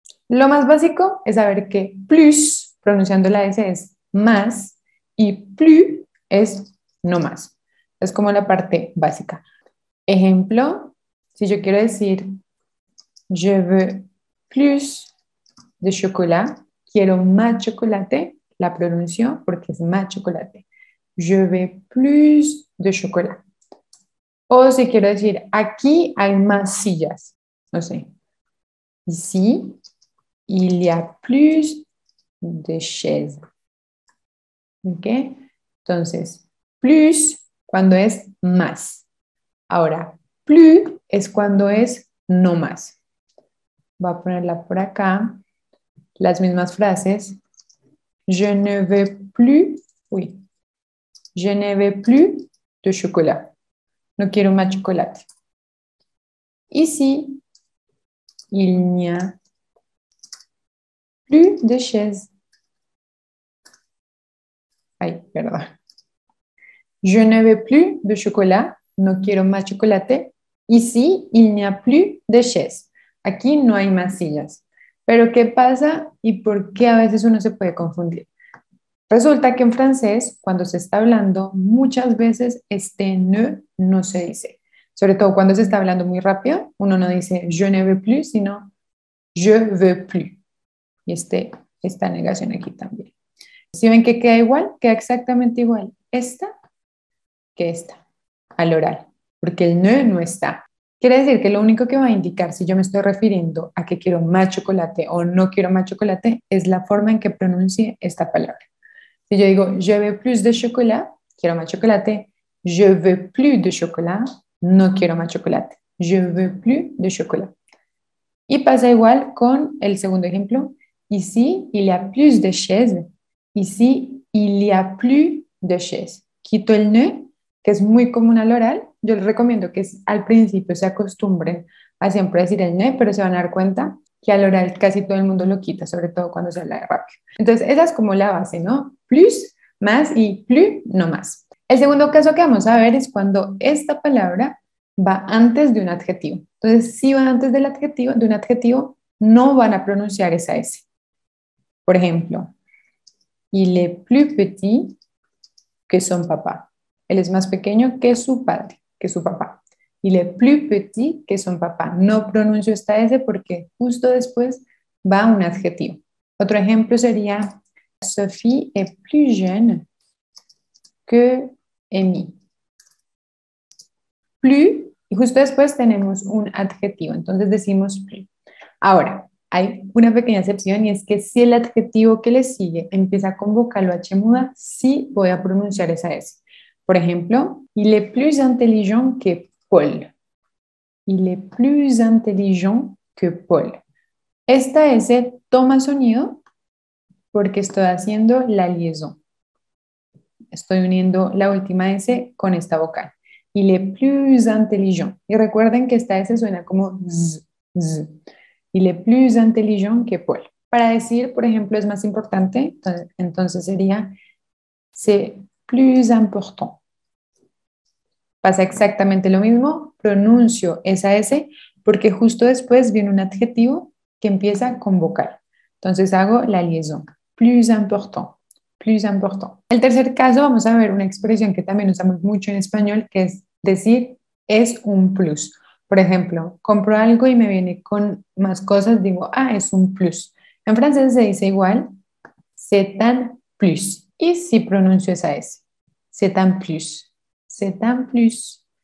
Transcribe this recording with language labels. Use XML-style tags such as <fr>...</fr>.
<es>Lo más básico es saber que plus, pronunciando la S, es más y plus es no más. Es como la parte básica. Ejemplo, si yo quiero decir</es> <fr>je veux plus de chocolat,</fr> <es>quiero más chocolate, la pronuncio porque es más chocolate.</es> <fr>Je veux plus de chocolat.</fr> <es>O si quiero decir, aquí hay más sillas. No sé.</es> <fr>Ici, il y a plus de chaises.</fr> <es>¿Okay? Entonces, plus cuando es más. Ahora, plus es cuando es no más. Voy a ponerla por acá. Las mismas frases.</es> <fr>Je ne veux plus. Oui. Je ne veux plus de chocolat.</fr> <es>No quiero más chocolate. Y sí,</es> <fr>il n'y plus de chaise.</fr> <es>Ay, perdón.</es> <fr>Je ne veux plus de chocolat.</fr> <es>No quiero más chocolate. Y sí,</es> <fr>il n'y plus de chaise.</fr> <es>Aquí no hay más sillas. Pero ¿qué pasa y por qué a veces uno se puede confundir? Resulta que en francés, cuando se está hablando, muchas veces este ne no se dice. Sobre todo cuando se está hablando muy rápido, uno no dice</es> <fr>je ne veux plus,</fr> <es>sino</es> <fr>je veux plus.</fr> <es>Y esta negación aquí también. Si ven que queda igual, queda exactamente igual esta que esta al oral, porque el ne no está. Quiere decir que lo único que va a indicar si yo me estoy refiriendo a que quiero más chocolate o no quiero más chocolate es la forma en que pronuncie esta palabra. Si yo digo,</es> <fr>je veux plus de chocolat,</fr> <es>quiero más chocolate.</es> <fr>Je veux plus de chocolat,</fr> <es>no quiero más chocolate.</es> <fr>Je veux plus de chocolat.</fr> <es>Y pasa igual con el segundo ejemplo.</es> <fr>Ici, il y a plus de chaises. Ici, il y a plus de chaises.</fr> <es>Quito el ne, que es muy común al oral. Yo les recomiendo que al principio se acostumbren a siempre decir el ne, pero se van a dar cuenta que al oral casi todo el mundo lo quita, sobre todo cuando se habla de rápido. Entonces, esa es como la base, ¿no? Plus, más y plus, no más. El segundo caso que vamos a ver es cuando esta palabra va antes de un adjetivo. Entonces, si va antes del adjetivo, de un adjetivo, no van a pronunciar esa S. Por ejemplo,</es> <fr>il est plus petit que son papá.</fr> <es>Él es más pequeño que su padre, que su papá.</es> <fr>Il est plus petit que son papá.</fr> <es>No pronuncio esta S porque justo después va un adjetivo. Otro ejemplo sería,</es> <fr>Sophie est plus jeune que Amy.</fr> <es>Plus, y justo después tenemos un adjetivo, entonces decimos plus. Ahora, hay una pequeña excepción y es que si el adjetivo que le sigue empieza con vocal o H muda, sí voy a pronunciar esa S. Por ejemplo,</es> <fr>il est plus intelligent que Paul. Il est plus intelligent que Paul.</fr> <es>Esta S toma sonido porque estoy haciendo la liaison. Estoy uniendo la última S con esta vocal.</es> <fr>Il est plus intelligent.</fr> <es>Y recuerden que esta S suena como z, z.</es> <fr>Il est plus intelligent que Paul.</fr> <es>Para decir, por ejemplo, es más importante, entonces sería</es> <fr>c'est plus important.</fr> <es>Pasa exactamente lo mismo, pronuncio esa S porque justo después viene un adjetivo que empieza con vocal. Entonces hago la liaison.</es> <fr>Plus important, plus important.</fr> <es>El tercer caso, vamos a ver una expresión que también usamos mucho en español, que es decir, es un plus. Por ejemplo, compro algo y me viene con más cosas, digo, ah, es un plus. En francés se dice igual,</es> <fr>c'est un plus.</fr> <es>Y si pronuncio esa S,</es> <fr>c'est un plus, c'est un plus.</fr>